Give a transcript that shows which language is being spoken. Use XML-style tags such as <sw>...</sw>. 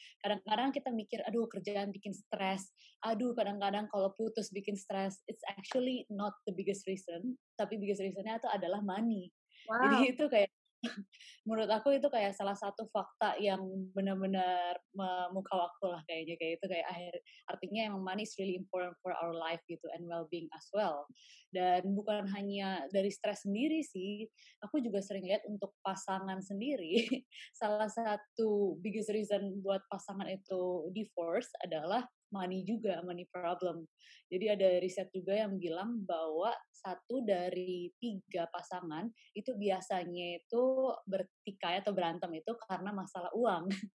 <id>Kadang-kadang kita mikir, aduh kerjaan bikin stres, aduh kadang-kadang kalau putus bikin stres.</id> <en>It's actually not the biggest reason,</en> <id>tapi biggest reasonnya itu adalah money.</id> <en>Wow.</en> <id>Jadi itu kayak, menurut aku itu kayak salah satu fakta yang benar-benar memuka waktu lah kayaknya. Kayak itu kayak artinya emang</id> <en>money is really important for our life gitu and well-being as well.</en> <id>Dan bukan hanya dari stres sendiri sih, aku juga sering lihat untuk pasangan sendiri, salah satu biggest reason buat pasangan itu divorce adalah money juga,</id> <en>money problem.</en> <id>Jadi ada riset juga yang bilang bahwa 1 dari 3 pasangan itu biasanya itu bertikai atau berantem itu karena masalah uang.</id>